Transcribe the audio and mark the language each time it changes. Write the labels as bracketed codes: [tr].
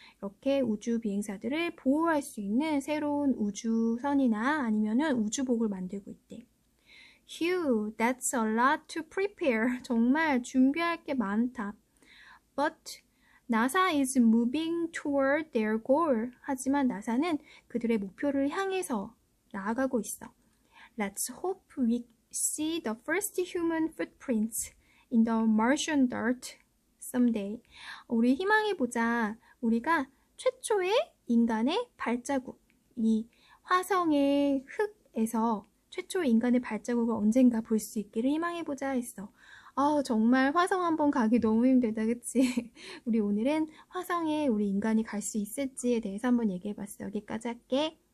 [ko] 이렇게 우주 비행사들을 보호할 수 있는 새로운 우주선이나 아니면은 우주복을 만들고 있대. [en] Phew, that's a lot to prepare. [ko] 정말 준비할 게 많다. [en] But NASA is moving toward their goal. [ko] 하지만 나사는 그들의 목표를 향해서 나아가고 있어. [en] Let's hope we see the first human footprints in the Martian dirt someday. [ko] 우리 희망해 보자. 우리가 최초의 인간의 발자국, 이 화성의 흙에서 최초 인간의 발자국을 언젠가 볼수 있기를 희망해 보자 했어. 아, 정말 화성 한번 가기 너무 힘들다, 그치? 우리 오늘은 화성에 우리 인간이 갈수 있을지에 대해서 한번 얘기해 봤어. 여기까지 할게.